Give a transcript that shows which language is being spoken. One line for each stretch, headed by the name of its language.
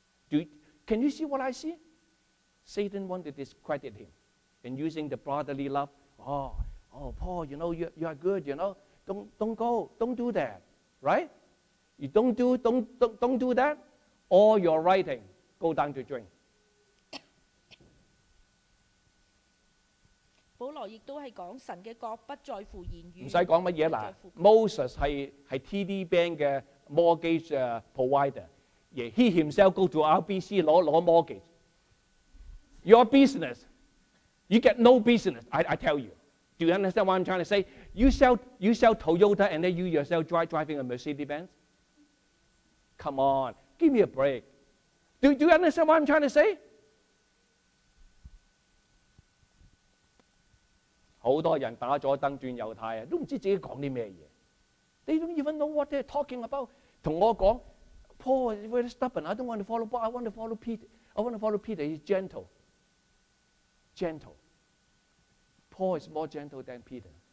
English: Can you see what I see? Satan wanted to discredit him. And using the brotherly love, Paul, you know, you are good, you know. Don't go, don't do that, right? You don't do that, all your writing, go down to drink.
Cantonese: 保罗亦都系讲神嘅国不在乎言语，唔使讲乜嘢啦。Moses 系 TD Bank 嘅 mortgage provider， 耶 ，
English: he himself go to RBC
Cantonese: 攞 mortgage。
English: Your business， you get no business。 I tell you， do you understand what I'm trying to say？ You sell Toyota and then you yourself driving a Mercedes Benz。 Come on， give me a break。 Do you understand what I'm trying to say？
Cantonese: 好多人打咗灯转右睇都唔知道自己讲啲咩嘢。
English: They don't even know what they're talking about。
Cantonese: 同我讲
English: ，Paul is very stubborn。I don't want to follow Paul。 I want to follow Peter。 I want to follow Peter。 He's gentle。 Gentle。 Paul is more gentle than Peter。